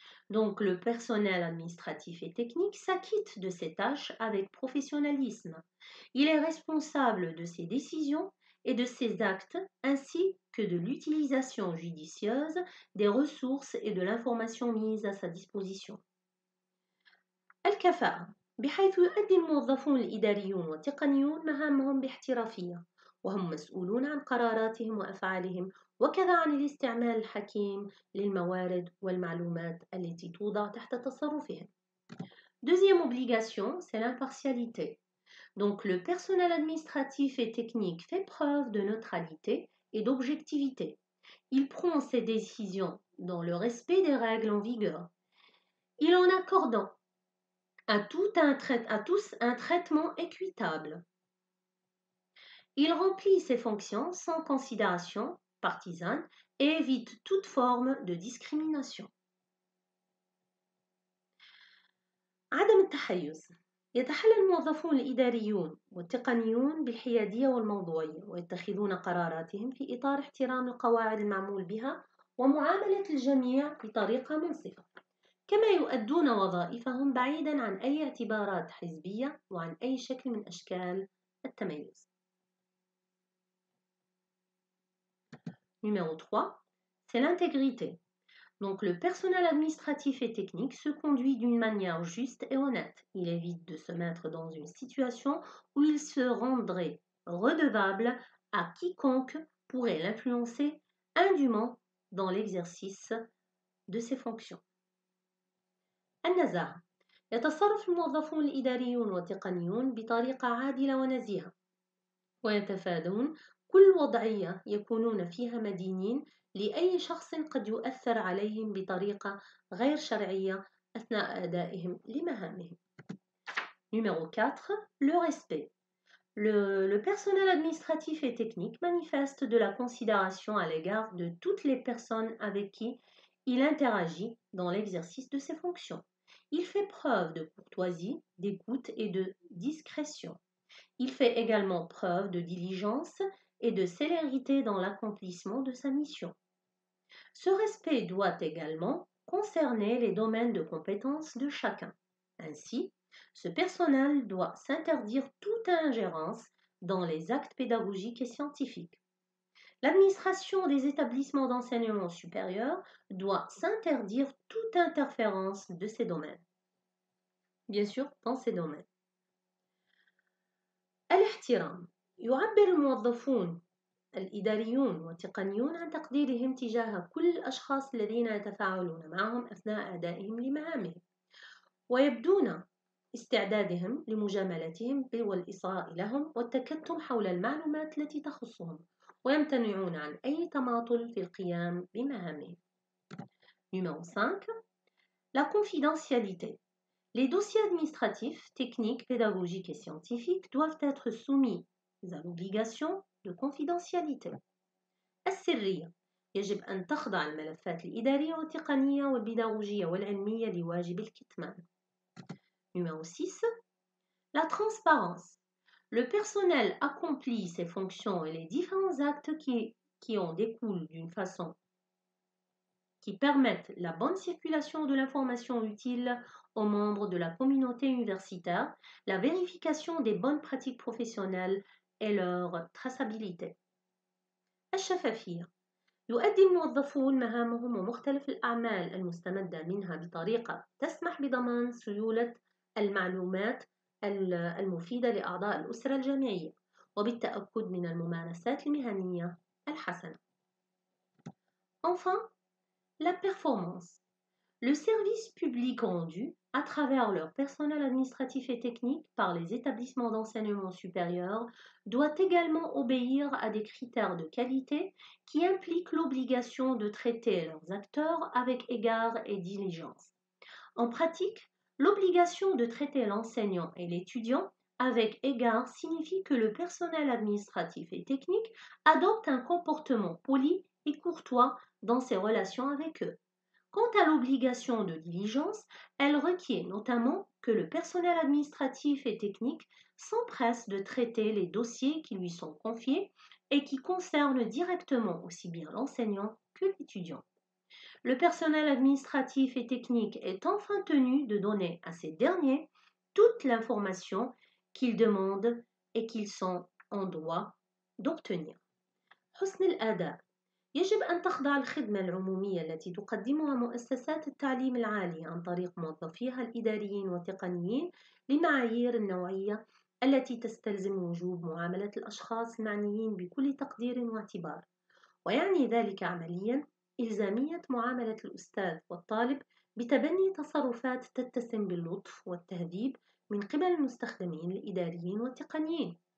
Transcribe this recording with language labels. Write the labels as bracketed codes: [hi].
[fr] Donc, le personnel administratif et technique s'acquitte de ses tâches avec professionnalisme. Il est responsable de ses décisions et de ses actes, ainsi que de l'utilisation judicieuse des ressources et de l'information mise à sa disposition. [ar] الكفاءة بحيث يؤدي الموظفون الإداريون والتقنيون مهامهم باحترافية وهم مسؤولون عن قراراتهم وأفعالهم وكذا عن الاستعمال الحكيم للموارد والمعلومات التي توضع تحت تصرفهم. [fr] Deuxième obligation, c'est l'impartialité. Donc, le personnel administratif et technique fait preuve de neutralité et d'objectivité. Il prend ses décisions dans le respect des règles en vigueur. Il en accorde à tous un traitement équitable. Il remplit ses fonctions sans considération partisane et évite toute forme de discrimination. [ar] عدم التحيز. يتحلى الموظفون الإداريون والتقنيون بالحيادية والموضوعية، ويتخذون قراراتهم في إطار احترام القواعد المعمول بها ومعاملة الجميع بطريقة منصفة، كما يؤدون وظائفهم بعيداً عن أي اعتبارات حزبية وعن أي شكل من أشكال التميز. [fr] Numéro 3, c'est l'intégrité. Donc le personnel administratif et technique se conduit d'une manière juste et honnête. Il évite de se mettre dans une situation où il se rendrait redevable à quiconque pourrait l'influencer indûment dans l'exercice de ses fonctions. [ar] النزاهة. يتصرف الموظفون الإداريون والتقنيون بطريقة عادلة ونزيهة، ويتفادون كل وضعية يكونون فيها مدينين لأي شخص قد يؤثر عليهم بطريقة غير شرعية أثناء أدائهم لمهامهم. [fr] Numéro 4. Le respect. Le personnel administratif et technique manifeste de la considération à l'égard de toutes les personnes avec qui il interagit dans l'exercice de ses fonctions. Il fait preuve de courtoisie, d'écoute et de discrétion. Il fait également preuve de diligence et de célérité dans l'accomplissement de sa mission. Ce respect doit également concerner les domaines de compétence de chacun. Ainsi, ce personnel doit s'interdire toute ingérence dans les actes pédagogiques et scientifiques. L'administration des établissements d'enseignement supérieur doit s'interdire toute interférence de ces domaines. Bien sûr, dans ces domaines. [ar] الاحترام. يعبر الموظفون الإداريون والتقنيون عن تقديرهم تجاه كل الأشخاص الذين يتفاعلون معهم أثناء أدائهم لمهامهم، ويبدون استعدادهم لمجاملتهم والإصغاء لهم والتكتم حول المعلومات التي تخصهم، ويمتنعون عن أي تماطل في القيام بمهامهم. [fr] Numéro 5. La confidentialité. Les dossiers administratifs, techniques, pédagogiques et scientifiques doivent être soumis à l'obligation de confidentialité. [ar] السرية. يجب أن تخضع الملفات الإدارية والتقنية والبيداغوجية والعلمية لواجب الكتمان. [fr] Numéro 6. La transparence. Le personnel accomplit ses fonctions et les différents actes qui en découlent d'une façon qui permettent la bonne circulation de l'information utile aux membres de la communauté universitaire, la vérification des bonnes pratiques professionnelles et leur traçabilité. [ar] الشفافية. يؤدي الموظفون مهامهم ومختلف الأعمال المستمدة منها بطريقة تسمح بضمان سيولة المعلومات المفيدة لأعضاء الأسرة الجامعية وبالتأكد من الممارسات المهنية الحسنة. [fr] Enfin, la performance. Le service public rendu à travers leur personnel administratif et technique par les établissements d'enseignement supérieur doit également obéir à des critères de qualité qui impliquent l'obligation de traiter leurs acteurs avec égard et diligence. En pratique, l'obligation de traiter l'enseignant et l'étudiant avec égard signifie que le personnel administratif et technique adopte un comportement poli et courtois dans ses relations avec eux. Quant à l'obligation de diligence, elle requiert notamment que le personnel administratif et technique s'empresse de traiter les dossiers qui lui sont confiés et qui concernent directement aussi bien l'enseignant que l'étudiant. Le personnel administratif et technique est enfin tenu de donner à ces derniers toute l'information qu'ils demandent et qu'ils sont en droit d'obtenir. [ar] حسن الأداء. يجب أن تخضع الخدمة العمومية التي تقدمها مؤسسات التعليم العالي عن طريق موظفيها الإداريين والتقنيين لمعايير النوعية التي تستلزم وجوب معاملة الأشخاص المعنيين بكل تقدير واعتبار، ويعني ذلك عملياً إلزامية معاملة الأستاذ والطالب بتبني تصرفات تتسم باللطف والتهذيب من قبل المستخدمين الإداريين والتقنيين.